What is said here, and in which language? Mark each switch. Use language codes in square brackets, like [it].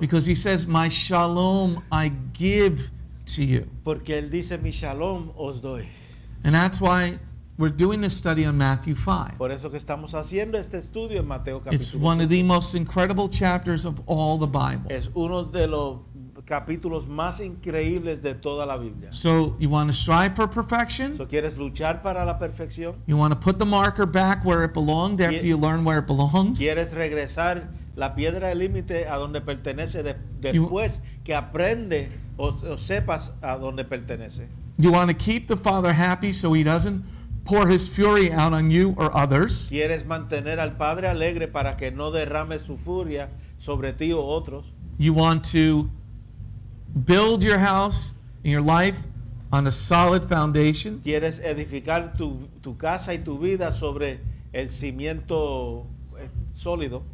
[en] Because he says, my shalom I give to you. [es] Porque él dice, mi shalom os doy. [en] And that's why we're doing this study on Matthew 5. [es] Por eso que estamos haciendo este estudio en Mateo capítulo 5. [en] It's one of the most incredible chapters of all the Bible. [es] Es uno de los capítulos más increíbles de toda la Biblia. [en] So you want to strive for perfection? [es] So quieres luchar para la perfección? [en] You want to put the marker back where it belonged after you learn where it belongs? [es] Quieres regresar la piedra de límite a donde pertenece después que aprende o sepas a donde pertenece. [en] You want to keep the Father happy so he doesn't pour his fury out on you or others? [es] Quieres mantener al Padre alegre para que no derrame su furia sobre ti o otros? [en] You want to build your house and your life on a solid foundation. [es] ¿Quieres edificar tu casa y tu vida sobre el cimiento sólido?